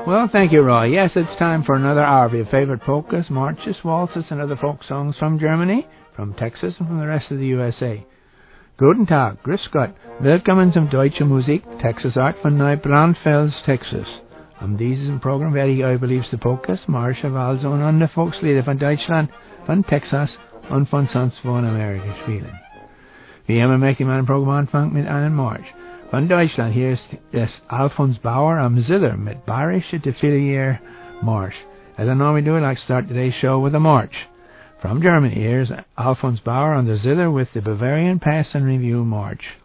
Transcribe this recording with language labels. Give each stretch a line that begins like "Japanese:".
English: Thank you, Roy. Yes, it's time for another hour of your favorite polkas, marches, waltzes, and other folk songs from Germany, from Texas, and from the rest of the USA.
German: Guten Tag, grüß Gott, willkommen zum Deutsche Musik, Texas Art von Neubrandfels, Texas. Am diesem Programm werde ich euch beliebt die polkas, marsche, waltzes und andere Volkslieder von Deutschland, von Texas und von sonst wo in Amerika spielen. Wie immer möchte ich meinen Programm anfangen mit einem March. Von Deutschland, hier ist das Alfons Bauer am Ziller mit Bayerische Defilier March.
English: As I normally do, I like to start today's show with a march. From Germany, here's Alfons Bauer on the Ziller with the Bavarian Pass and Review March.